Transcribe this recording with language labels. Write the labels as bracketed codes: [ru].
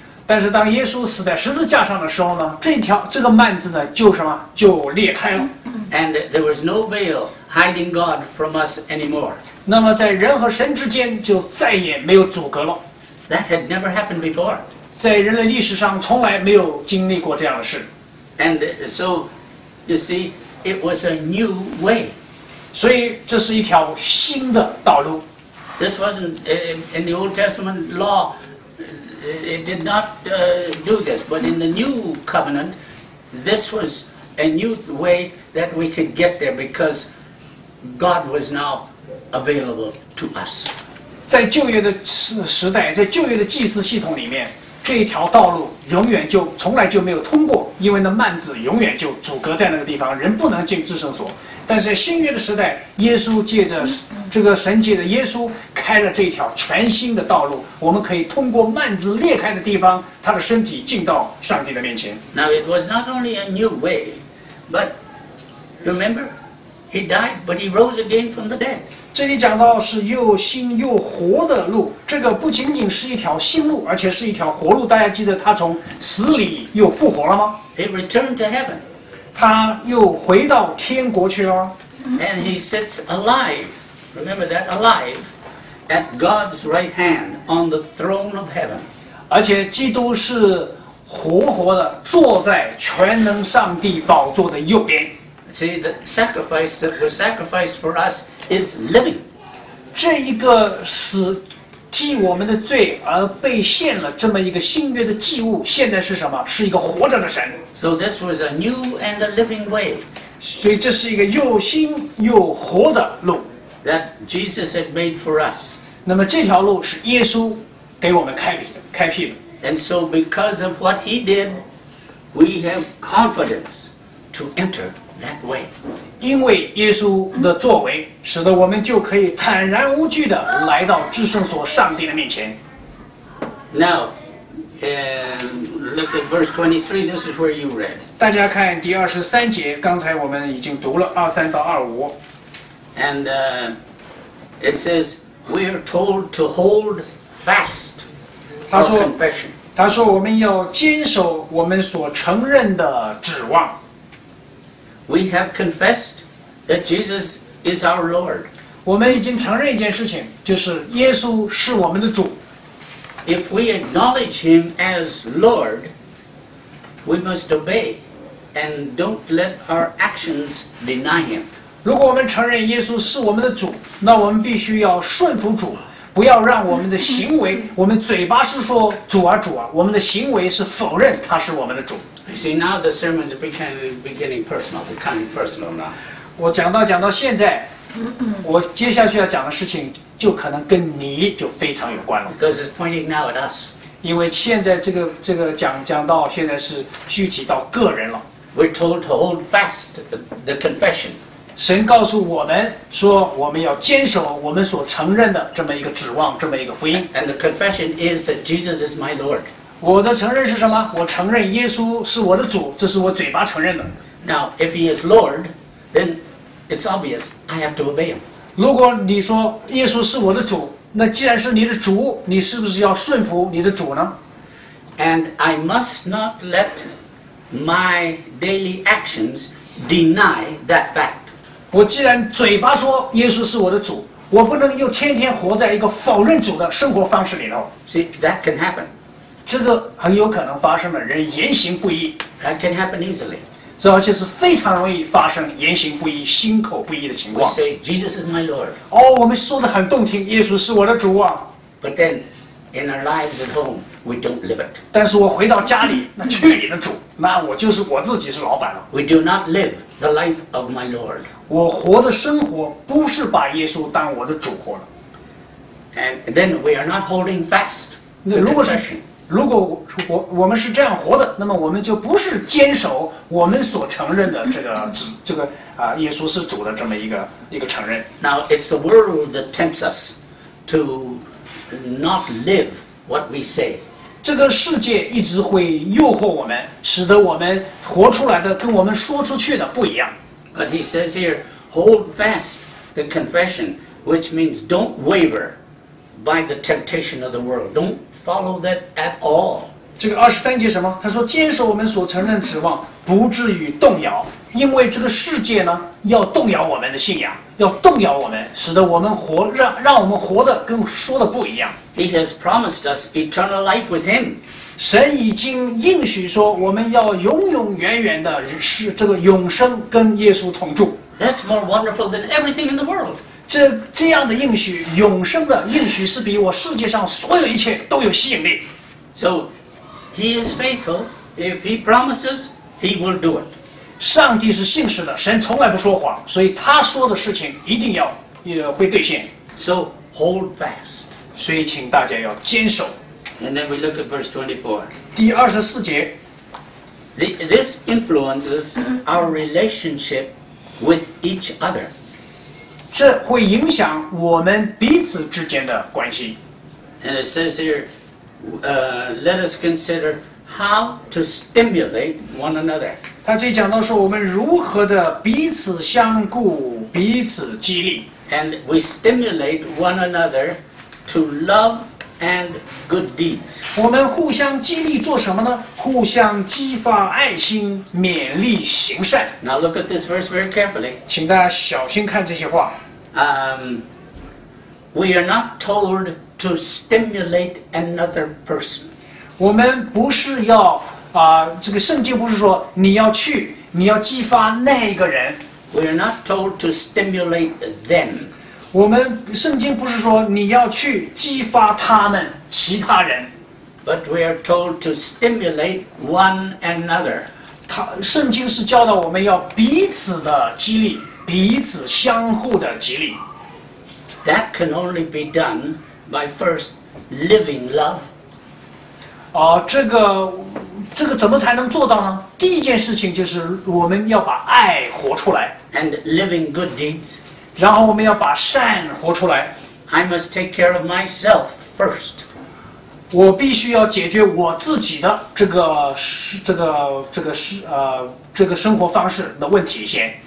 [zh] 但是当耶稣死在十字架上的时候呢，这个幔子呢就什么就裂开了。 [en] And there was no veil hiding God from us anymore. [zh] 那么在人和神之间就再也没有阻隔了。 [en] That had never happened before. [zh] 在人类历史上从来没有经历过这样的事。 [en] And so, you see, it was a new way. [zh] 所以这是一条新的道路。 [en] This wasn't in the Old Testament law. It did not do this, but in the New Covenant, this was a new way that we could get there because God was now available to us. [zh] 在旧约的时代，在旧约的祭司系统里面，这一条道路永远就从来就没有通过，因为那幔子永远就阻隔在那个地方，人不能进至圣所。但是在新约的时代，耶稣借着这个神迹的耶稣开了这条全新的道路，我们可以通过幔子裂开的地方，他的身体进到上帝的面前。 [en] Now it was not only a new way, but remember, he died, but he rose again from the dead. [zh] 这里讲到是又新又活的路，这个不仅仅是一条新路，而且是一条活路。大家记得他从死里又复活了吗？ [en] He returned to heaven. [zh] 他又回到天国去了。 [en] And he sits alive. Remember that alive at God's right hand on the throne of heaven. [zh] 而且基督是活活的坐在全能上帝宝座的右边。 [en] See, the sacrifice that was sacrificed for us is living. [zh] 这一个死替我们的罪而被献了这么一个新约的祭物，现在是什么？是一个活着的神。 [en] So this was a new and a living way. [zh] 所以这是一个又新又活的路。 [en] That Jesus had made for us. [zh] 那么这条路是耶稣给我们开辟的。 [en] And so, because of what He did, we have confidence to enter that way. [zh] 因为耶稣的作为，使得我们就可以坦然无惧的来到至圣所上帝的面前。 [en] Now, look at verse 23. This is where you read. [zh] 大家看第二十三节，刚才我们已经读了二三到二五。 [en] And it says we are told to hold fast our confession. [zh] 他说我们要坚守我们所承认的指望。 [en] We have confessed that Jesus is our Lord. [zh] 我们已经承认一件事情，就是耶稣是我们的主。 [en] If we acknowledge Him as Lord, we must obey and don't let our actions deny Him. [zh] 如果我们承认耶稣是我们的主，那我们必须要顺服主，不要让我们的行为，我们嘴巴是说主啊主啊，我们的行为是否认他是我们的主。 [en] You see, now the sermon is becoming personal, becoming personal now. [zh] 我讲到现在，我接下去要讲的事情就可能跟你就非常有关了。 [en] Because it's pointing now at us. [zh] 因为现在这个讲到现在是具体到个人了。 [en] We're told to hold fast the confession. [zh] 神告诉我们说，我们要坚守我们所承认的这么一个指望，这么一个福音。 [en] And the confession is that Jesus is my Lord. [zh] 我的承认是什么？我承认耶稣是我的主，这是我嘴巴承认的。 [en] Now, if He is Lord, then it's obvious I have to obey Him. [zh] 如果你说耶稣是我的主，那既然是你的主，你是不是要顺服你的主呢？ [en] And I must not let my daily actions deny that fact. [zh] 我既然嘴巴说耶稣是我的主，我不能又天天活在一个否认主的生活方式里头。 [en] See, that can happen. [zh] 这个很有可能发生的，人言行不一。 [en] That can happen easily. [zh] 这而且是非常容易发生言行不一、心口不一的情况。 [en] We say, Jesus is my Lord. [zh] 哦，我们说的很动听，耶稣是我的主啊。 [en] But then, in our lives at home, we don't live it. [zh] 但是我回到家里，那去你的主，那我就是我自己是老板了。 [en] We do not live the life of my Lord. [zh] 我活的生活不是把耶稣当我的主活了。 [en] And then we are not holding fast. [zh] 如果 我们是这样活的，那么我们就不是坚守我们所承认的这个耶稣是主的这么一个承认。 [en] Now it's the world that tempts us to not live what we say. [zh] 这个世界一直会诱惑我们，使得我们活出来的跟我们说出去的不一样。 [en] But he says here, hold fast the confession, which means don't waver by the temptation of the world. Don't follow that at all. [zh] 这个二十三节什么？他说坚守我们所承认的指望，不至于动摇。因为这个世界呢，要动摇我们的信仰，要动摇我们，使得我们活，让我们活的跟说的不一样。 [en] He has promised us eternal life with him. [zh] 神已经应许说，我们要永永远远的是这个永生跟耶稣同住。 [en] That's more wonderful than everything in the world. [zh] 这样的应许，永生的应许是比我世界上所有一切都有吸引力。 [en] So he is faithful. If he promises, he will do it. [zh] 上帝是信实的，神从来不说谎，所以他说的事情一定要会兑现。 [en] So hold fast. [zh] 所以请大家要坚守。 [en] And then we look at verse 24. [zh] 第二十四节。 [en] This influences our relationship with each other. [zh] 这会影响我们彼此之间的关系。 [en] And it says here, let us consider how to stimulate one another. [zh] 他这讲到说我们如何的彼此相顾，彼此激励。 [en] And we stimulate one another to love and good deeds. [zh] 我们互相激励做什么呢？互相激发爱心，勉励行善。 [en] Now look at this verse very carefully. [zh] 请大家小心看这些话。 [en] We are not told to stimulate another person. [zh] 我们不是要这个圣经不是说你要去，你要激发那一个人。 [en] We are not told to stimulate them. [zh] 我们圣经不是说你要去激发他们，其他人。 [en] But we are told to stimulate one another. [zh] 圣经是教导我们要彼此的激励。彼此相互的激励。 [en] That can only be done by first living love. [zh] 这个怎么才能做到呢？第一件事情就是我们要把爱活出来。 [en] And living good deeds. [zh] 然后我们要把善活出来。 [en] I must take care of myself first. [zh] 我必须要解决我自己的这个生活方式的问题先。